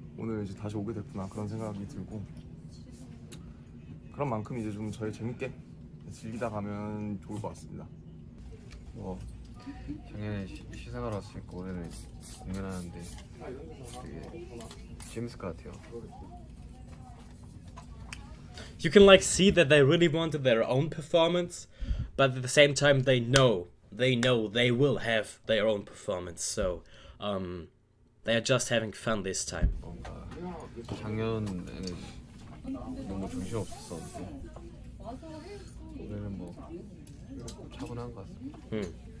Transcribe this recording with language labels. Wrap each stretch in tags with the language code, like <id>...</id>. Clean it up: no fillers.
<ko>오늘 이제 다시 오게 됐구나 그런 생각이 들고 그런 만큼 이제 좀 저희 재밌게 즐기다 가면 좋을 것 같습니다. 뭐 작년에 시상을 왔으니까 올해는 공연하는데 되게 재밌을 것 같아요.</ko> <en>You can like see that they really wanted their own performance, but at the same time they know they will have their own performance. So, they are just having fun this time.</en> <ko>뭔가 작년에는 너무 정신 없었었는데 올해는 뭐 차분한 것 같습니다.</ko>